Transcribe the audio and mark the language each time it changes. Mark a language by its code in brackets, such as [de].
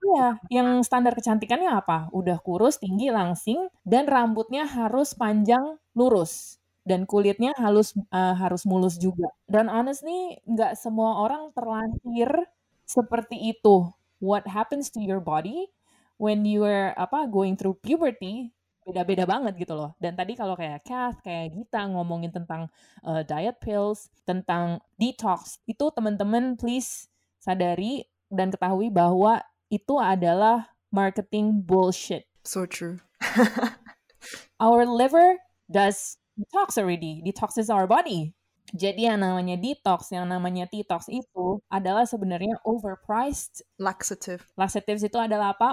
[id] ya, yang standar kecantikannya apa? Udah kurus, tinggi, langsing, dan rambutnya harus panjang, lurus. Dan kulitnya halus, harus mulus juga. Dan honestly, gak semua orang terlahir seperti itu. [en] What happens to your body when you were going through puberty, [id] beda-beda banget gitu loh. Dan tadi kalau kayak Kath, kayak Gita ngomongin tentang diet pills, tentang detox, itu teman-teman please sadari dan ketahui bahwa itu adalah [en] marketing bullshit. So true. Our liver does detox already. Detoxes our body. [id] Jadi yang namanya detox, yang namanya detox itu adalah sebenarnya overpriced. [en] Laxative. [id] Laxatives itu adalah apa?